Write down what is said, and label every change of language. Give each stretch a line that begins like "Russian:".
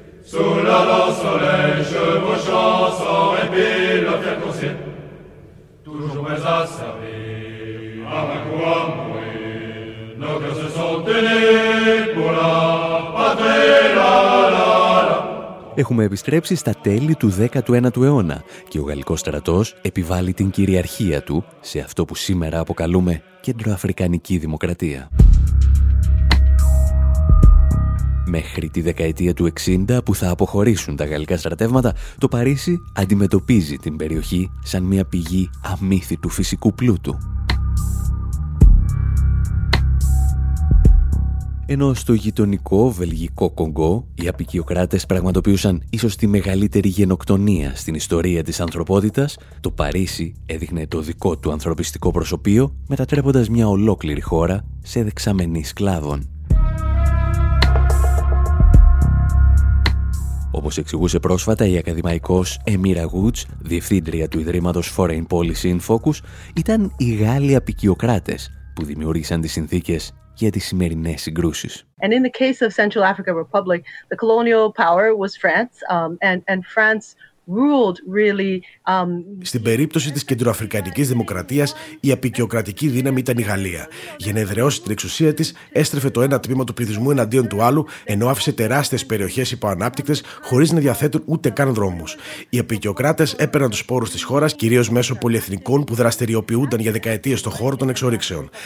French: Sous la lance soleil, chevauchant sans répit, le fier concile, toujours prêts à servir, à ma croix mourir. Nos cœurs se sont unis pour la patrie, la la.
Greek: Έχουμε επιστρέψει στα τέλη του 19ου αιώνα και ο γαλλικός στρατός επιβάλλει την κυριαρχία του σε αυτό που σήμερα αποκαλούμε Κεντροαφρικανική Δημοκρατία. Μέχρι τη δεκαετία του 60 που θα αποχωρήσουν τα γαλλικά στρατεύματα, το Παρίσι αντιμετωπίζει την περιοχή σαν μια πηγή αμύθιτου φυσικού πλούτου. Ενώ στο γειτονικό Βελγικό Κονγκό, οι αποικιοκράτες πραγματοποιούσαν ίσως τη μεγαλύτερη γενοκτονία στην ιστορία της ανθρωπότητας, το Παρίσι έδειχνε το δικό του ανθρωπιστικό προσωπείο, μετατρέποντας μια ολόκληρη χώρα σε δεξαμενή σκλάβων. Όπως εξηγούσε πρόσφατα η ακαδημαϊκός Έμιρα Γουτς, διευθύντρια του Ιδρύματος Foreign Policy in Focus, ήταν οι Γάλλοι αποικιοκράτες που δημιούργησαν τις συνθήκες για τις σημερινές συγκρούσεις.
English: And in the case of Central African Republic, the colonial power was France, and France ruled really.
Greek: Στην περίπτωση της Κεντροαφρικανικής Δημοκρατίας, η αποικιοκρατική δύναμη ήταν η Γαλλία. Για να εδραιώσει την εξουσία της, έστρεφε το ένα τμήμα του πληθυσμού εναντίον του άλλου, ενώ άφησε τεράστιες περιοχές υποανάπτυκτες, χωρίς να διαθέτουν ούτε καν δρόμους. Οι αποικιοκράτες έπαιρναν τους πόρους της χώρας, κυρίως μέσω πολυεθνικών που δραστηριοποιούνταν για δεκαετίες στον χώρο των εξορίξεων.